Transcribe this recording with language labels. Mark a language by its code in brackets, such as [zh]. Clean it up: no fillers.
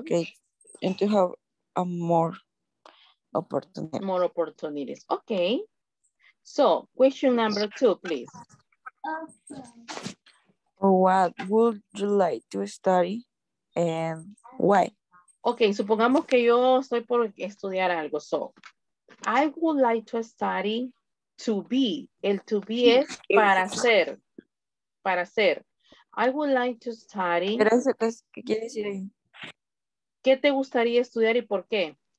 [en] okay. And to have a more opportunity. More opportunities. Okay. So, question number two, please. What would you like to study and why? [es] Okay, supongamos que yo estoy por estudiar algo. [en] So, I would like to study to be. [es] El to be es para ser. Para ser. [en] I would like to study. [es] ¿Qué quiere decir ahí? ¿Qué te gustaría estudiar y por qué?